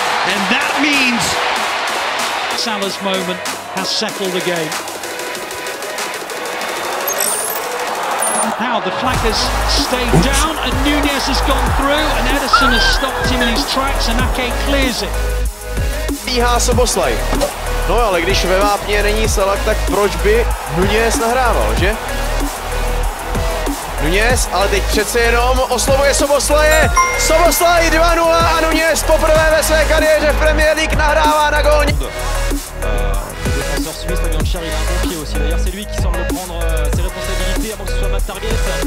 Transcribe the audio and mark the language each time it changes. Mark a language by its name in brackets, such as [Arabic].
[English] And that means... Salah's moment has settled the game. Now the flag has stayed down and Nunez has gone through and Edison has stopped him in his tracks and Ake clears it. [Czech] Bíhá se Boslej. No ale když ve vápně není Salah, tak proč by Nunez nahrával, že? Nunez, ale teď přece jenom oslovuje Szoboszlaie. Szoboszlai 2-0 a Nunez poprvé ve své kariéře v Premier League nahrává na gol. [French] Défenseur suisse, Fabien Schär, il a un bon pied aussi. D'ailleurs, c'est lui qui semble prendre ses responsabilités avant que ce soit Matt Target.